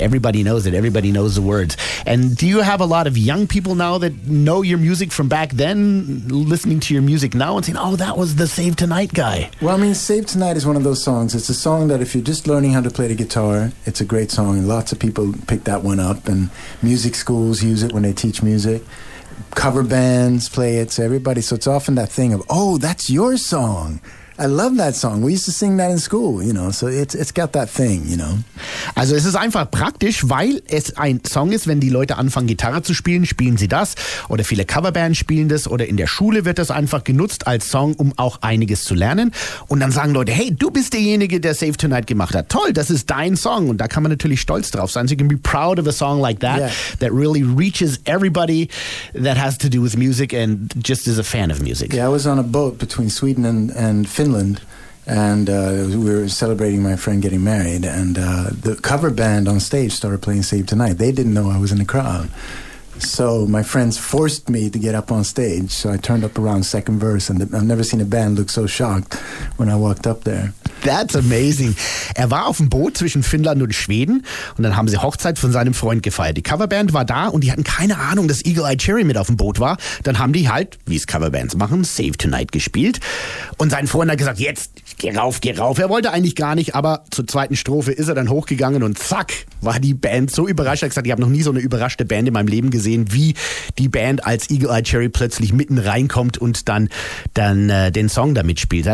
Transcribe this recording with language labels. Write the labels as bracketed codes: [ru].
[en] Everybody knows it, everybody knows the words. And do you have a lot of young people now that know your music from back then, listening to your music now and saying, oh, that was the Save Tonight guy? Well, I mean, Save Tonight is one of those songs. It's a song that if you're just learning how to play the guitar, it's a great song. Lots of people pick that one up and music schools use it when they teach music. Cover bands play it, so everybody. So it's often that thing of, oh, that's your song. I love that song. We used to sing that in school, you know. So it's got that thing, you know. [de] Also es ist einfach praktisch, weil es ein Song ist, wenn die Leute anfangen, Gitarre zu spielen, spielen sie das. Oder viele Coverbands spielen das. Oder in der Schule wird das einfach genutzt als Song, um auch einiges zu lernen. Und dann sagen Leute, hey, du bist derjenige, der Save Tonight gemacht hat. Toll, das ist dein Song. Und da kann man natürlich stolz drauf sein. [en] So you can be proud of a song like that, yeah, that really reaches everybody that has to do with music and just is a fan of music. Yeah, I was on a boat between Sweden and Finland, and we were celebrating my friend getting married, and the cover band on stage started playing Save Tonight. They didn't know I was in the crowd, so my friends forced me to get up on stage, so I turned up around second verse, and I've never seen a band look so shocked when I walked up there. That's amazing. [de] Er war auf dem Boot zwischen Finnland und Schweden und dann haben sie Hochzeit von seinem Freund gefeiert. Die Coverband war da und die hatten keine Ahnung, dass Eagle Eye Cherry mit auf dem Boot war. Dann haben die halt, wie es Coverbands machen, Save Tonight gespielt. Und sein Freund hat gesagt, jetzt geh rauf. Er wollte eigentlich gar nicht, aber zur zweiten Strophe ist er dann hochgegangen und zack, war die Band so überrascht. Er hat gesagt, ich habe noch nie so eine überraschte Band in meinem Leben gesehen, wie die Band als Eagle Eye Cherry plötzlich mitten reinkommt und dann den Song da mitspielt.